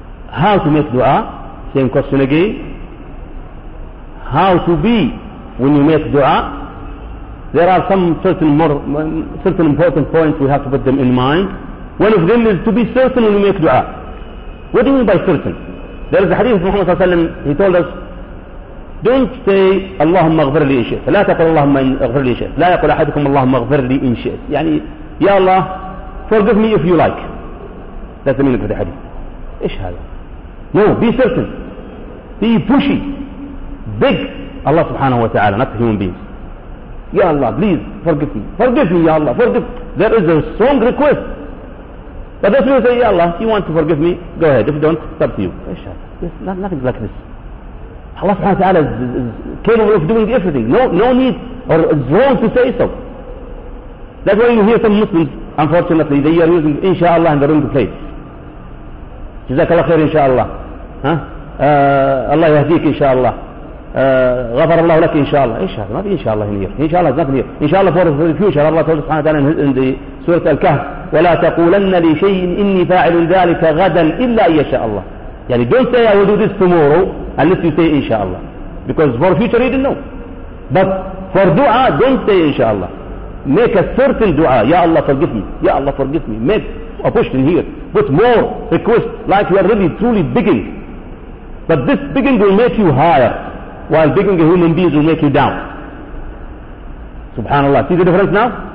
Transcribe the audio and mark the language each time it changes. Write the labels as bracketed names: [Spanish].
[English] How to make dua? Same question again. How to be when you make dua? There are some certain important points we have to put them in mind. One of them is to be certain when you make dua. What do you mean by certain? There is a hadith of Muhammad Sallallahu Alaihi Wasallam, he told us, don't say [Arabic] اللهم اغفر لي إن شئت. لا تقل اللهم اغفر لي إن شئت. لا يقول أحدكم اللهم اغفر لي إن شئت. يعني يا الله [English] forgive me if you like. That's the meaning of the hadith. [Arabic] إيش هذا؟ [English] No, be certain. Be pushy. Big Allah subhanahu wa ta'ala, not human beings. Ya Allah, please forgive me. Forgive me, ya Allah, forgive. There is a strong request. But if you say, ya Allah, you want to forgive me, go ahead. If you don't, it's up to you. [Arabic] إيش هذا؟ [English] Nothing like this. Allah subhanahu wa ta'ala is capable of doing everything. No need, or it's wrong to say so. That's why you hear some Muslims, unfortunately, they are using inshallah in the wrong place. Jazakallah khair inshallah. Allah yahdiq inshallah. Ghafar Allah laki inshallah. Inshallah, not inshallah in here. Inshallah is not here. Inshallah for the future. Allah told subhanahu wa ta'ala in the Surah Al-Kahf, [Arabic] وَلَا تَقُولَنَّ لِشَيْءٍ إِنِّي فَاعِلٌ ذَلِكَ غَدًا إِلَّا إِيَشَاءَ اللَّهِ. [English] Yani don't say I will do this tomorrow, unless you say inshallah. Because for future you didn't know. But for dua, don't say inshallah. Make a certain dua. Ya Allah forgive me. Ya Allah forgive me. Make a push in here. Put more requests, like you are really truly begging. But this begging will make you higher, while begging a human being will make you down. Subhanallah. See the difference now?